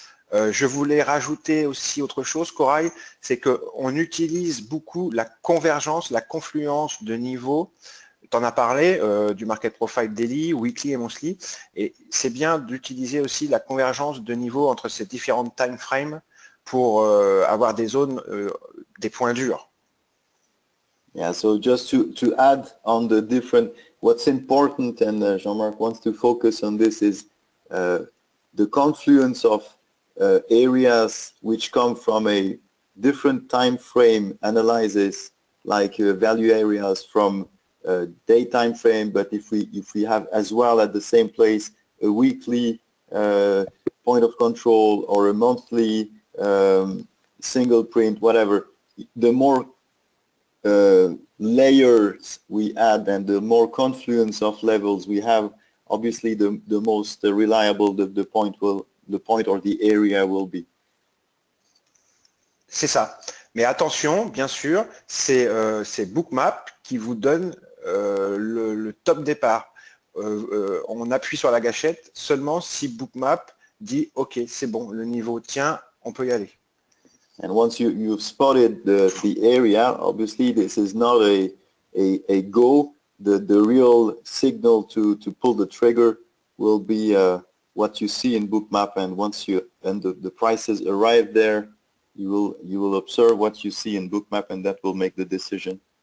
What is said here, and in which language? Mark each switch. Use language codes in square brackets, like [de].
[fr] Je voulais rajouter aussi autre chose, Corail, c'est qu'on utilise beaucoup la convergence, la confluence de niveaux. Tu en as parlé du market profile daily, weekly et monthly. Et c'est bien d'utiliser aussi la convergence de niveau entre ces différentes time frames pour avoir des zones, des points durs. [en] Yeah, so just to add on the different, what's important, and Jean-Marc wants to focus on this, is the confluence of areas which come from a different time frame analysis, like value areas from day time frame, but if we have as well at the same place a weekly point of control or a monthly single print, whatever, the more layers we add and the more confluence of levels we have, obviously the most reliable the point or the area will be. [fr] C'est ça. Mais attention, bien sûr, c'est Bookmap qui vous donne le top départ. On appuie sur la gâchette seulement si Bookmap dit OK, c'est bon, le niveau tient, on peut y aller. [en] And once you've spotted the area, obviously this is not a go. The real signal to pull the trigger will be what you see in Bookmap. And once you and the prices arrive there, you will observe what you see in Bookmap, and that will make the decision.